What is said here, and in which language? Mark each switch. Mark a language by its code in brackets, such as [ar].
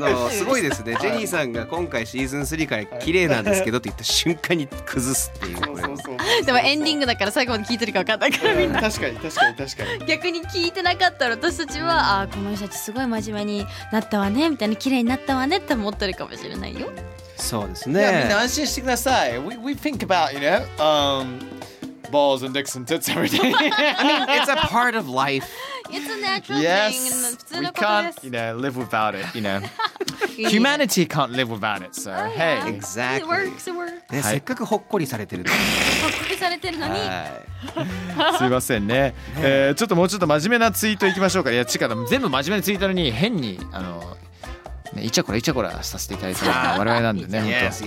[ja] すごいですね。ジェニーさんが今回シーズン3から綺麗なんですけどって言った瞬間に崩すっていう。でもエンディングだから最後まで聞いてるか分かんないからみんな。確かに確かに確かに。逆に聞いてなかったら私たちは、うん、あ、この人たちすごい真面目になったわねみたいな、綺麗になったわねって思ってるかもしれないよ。そうですね。いや、みんな安心してください。 [en] We think about, you know, balls and dicks and tits every day. I mean, it's a part of life. It's a natural yes, thing. Yes, we can't, you know, live without it, you know. Humanity can't live without it, so, oh, yeah. hey. Exactly. It works, it works.、 [ja] ね、せっかくほっこりされてるのに。ほっこりされてるのに。すいませんね、ちょっともうちょっと真面目なツイートいきましょうか。いや、違う、全部真面目なツイートのに変に、ね、イチャコライチャコラさせていただいた我々なんでね本当。